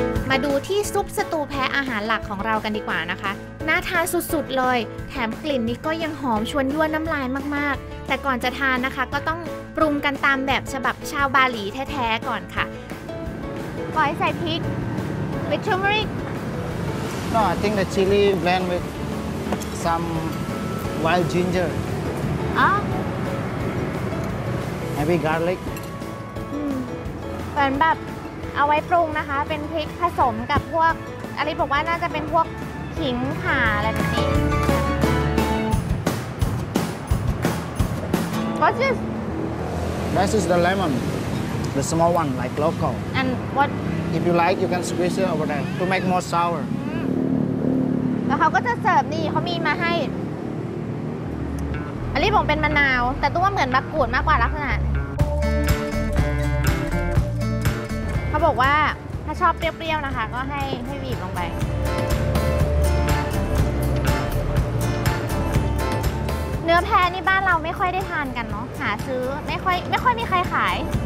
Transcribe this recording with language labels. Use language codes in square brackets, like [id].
[th] มาดูที่ซุปสตูแพะอาหารหลักของเรากันดีกว่านะคะน่าทานสุดๆเลยแถมกลิ่นนี้ก็ยังหอมชวนยั่วน้ำลายมากๆแต่ก่อนจะทานนะคะก็ต้องปรุงกันตามแบบฉบับชาวบาหลีแท้ๆก่อนค่ะปล่อยใส่พริกวิทูมริก [en] No, I think the chili blend with some wild ginger. Ah. Maybe garlic. [th] เป็นแบบเอาไว้ปรุงนะคะเป็นพริกผสมกับพวกอันนี้บอกว่าน่าจะเป็นพวกขิงข่าอะไรแบบนี้ [en] What's this? This is the lemon, the small one like local. And what? If you like, you can squeeze it over there to make more sour. [th] แล้วเขาก็จะเสิร์ฟนี่เขามีมาให้อันนี้ผมเป็นมะนาวแต่ตัวเหมือนมะกรูดมากกว่าลักษณะเขาบอกว่าถ้าชอบเปรี้ยวๆนะคะก็ให้บีบลงไปเนื้อแพนี่บ้านเราไม่ค่อยได้ทานกันเนาะหาซื้อไม่ค่อยมีใครขาย